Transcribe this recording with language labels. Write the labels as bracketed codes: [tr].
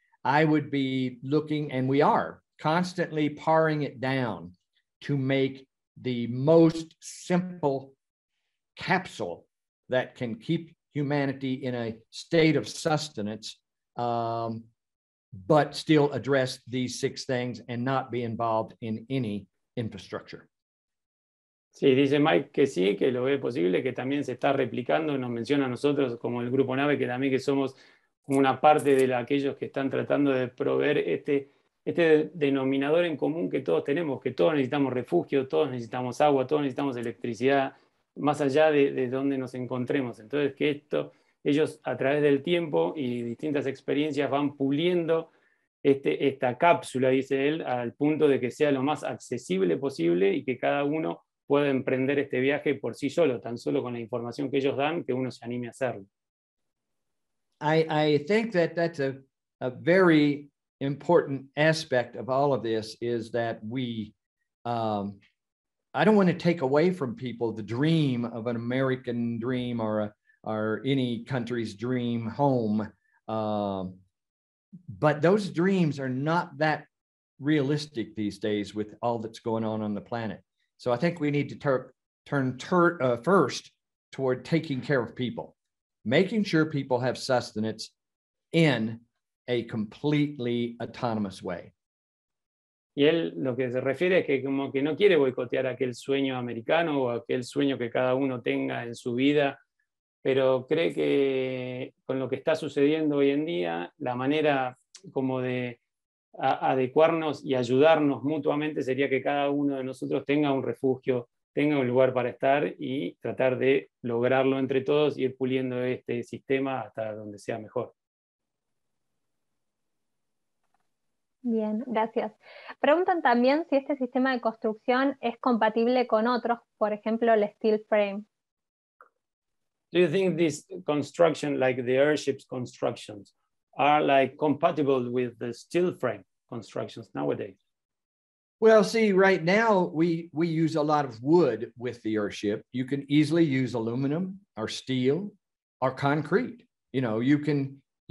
[en] I would be looking, and we are constantly paring it down to make the most simple capsule that can keep humanity in a state of sustenance, but still address these 6 things and not be involved in any infrastructure. [es] Sí, dice Mike que sí, que lo ve posible, que también se está replicando, nos menciona a nosotros como el Grupo Nave, que también que somos una parte de aquellos que están tratando de proveer este denominador en común que todos tenemos, que todos necesitamos refugio, todos necesitamos agua, todos necesitamos electricidad, más allá de donde nos encontremos. Entonces que esto, ellos a través del tiempo y distintas experiencias van puliendo esta cápsula, dice él, al punto de que sea lo más accesible posible y que cada uno puede emprender este viaje por sí solo, tan solo con la información que ellos dan, que uno se anime a hacerlo. [en] I think that's a very important aspect of all of this is that we, I don't want to take away from people the dream of an American dream or a, or any country's dream home. But those dreams are not that realistic these days with all that's going on the planet. So I think we need to turn first toward taking care of people, making sure people have sustenance in a completely autonomous way. [es] Y él lo que se refiere es que como que no quiere boicotear aquel sueño americano o aquel sueño que cada uno tenga en su vida, pero cree que con lo que está sucediendo hoy en día, la manera como de adecuarnos y ayudarnos mutuamente sería que cada uno de nosotros tenga un refugio, tenga un lugar para estar y tratar de lograrlo entre todos, ir puliendo este sistema hasta donde sea mejor. Bien, gracias. Preguntan también si este sistema de construcción es compatible con otros, por ejemplo, el steel frame. [en] Do you think this construction, like the Earthships constructions, are like compatible with the steel frame constructions nowadays? Well, see, right now we use a lot of wood with the Earthship. You can easily use aluminum or steel or concrete. You know, you can...